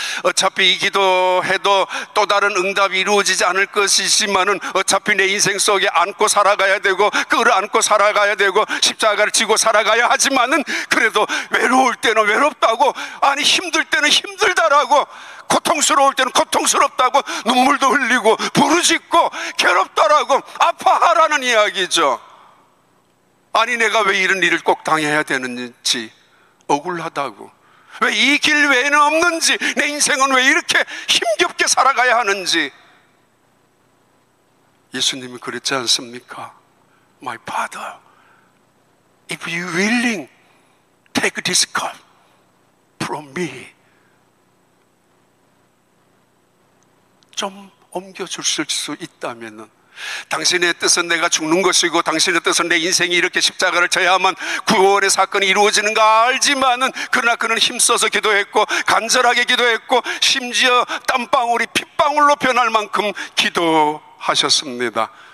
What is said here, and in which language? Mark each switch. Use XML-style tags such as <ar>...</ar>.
<ko>어차피 이 기도해도 또 다른 응답이 이루어지지 않을 것이지만은, 어차피 내 인생 속에 안고 살아가야 되고 끌어안고 살아가야 되고 십자가를 지고 살아가야 하지만은, 그래도 외로울 때는 외롭다고, 아니 힘들 때는 힘들다라고, 고통스러울 때는 고통스럽다고 눈물도 흘리고 부르짖고 괴롭다라고 아파하라는 이야기죠. 아니 내가 왜 이런 일을 꼭 당해야 되는지 억울하다고, 왜 이 길 외에는 없는지, 내 인생은 왜 이렇게 힘겹게 살아가야 하는지. 예수님이 그랬지 않습니까?</ko> <en>My Father, if you willing, take this cup from me.</en> <ko>좀 옮겨주실 수 있다면은, 당신의 뜻은 내가 죽는 것이고 당신의 뜻은 내 인생이 이렇게 십자가를 져야만 구원의 사건이 이루어지는 거 알지만은, 그러나 그는 힘써서 기도했고 간절하게 기도했고 심지어 땀방울이 핏방울로 변할 만큼 기도하셨습니다.</ko>